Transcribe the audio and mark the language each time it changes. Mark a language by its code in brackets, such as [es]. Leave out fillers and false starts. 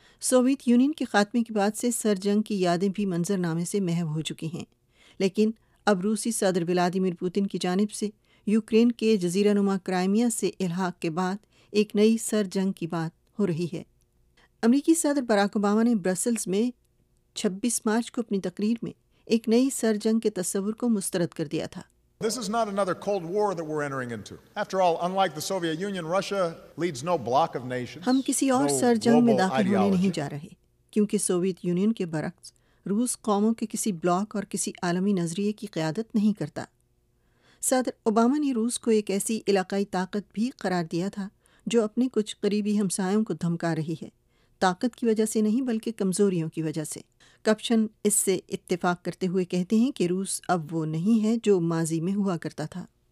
[ur] Soviet union کے خاتمے کے بعد سے سر جنگ کی یادیں بھی منظر نامے سے محو ہو چکی ہیں، لیکن اب روسی صدر ولادیمیر پوتن کی جانب سے یوکرین کے جزیرہ نما کرائمیا سے الحاق کے بعد ایک نئی سر جنگ کی بات ہو رہی ہے۔ امریکی صدر براک اوباما نے برسلز میں 26 مارچ کو اپنی تقریر میں ایک نئی سر جنگ کے تصور کو مسترد کر دیا تھا۔ [en] This is not another cold war that we're entering into. After all, unlike the Soviet Union, Russia leads no block of nations. [ur] ہم کسی اور سر جنگ میں داخل ہونے نہیں جا رہے، کیونکہ سوویت یونین کے برعکس روس قوموں کے کسی بلاک اور کسی عالمی نظریے کی قیادت نہیں کرتا۔ صدر اوباما نے روس کو ایک ایسی علاقائی طاقت بھی قرار دیا تھا جو اپنے کچھ قریبی ہمسایوں کو دھمکا رہی ہے، طاقت کی وجہ سے نہیں بلکہ کمزوریوں کی وجہ سے۔ کپشن اس سے اتفاق کرتے ہوئے کہتے ہیں کہ روس اب وہ نہیں ہے جو ماضی میں ہوا کرتا تھا۔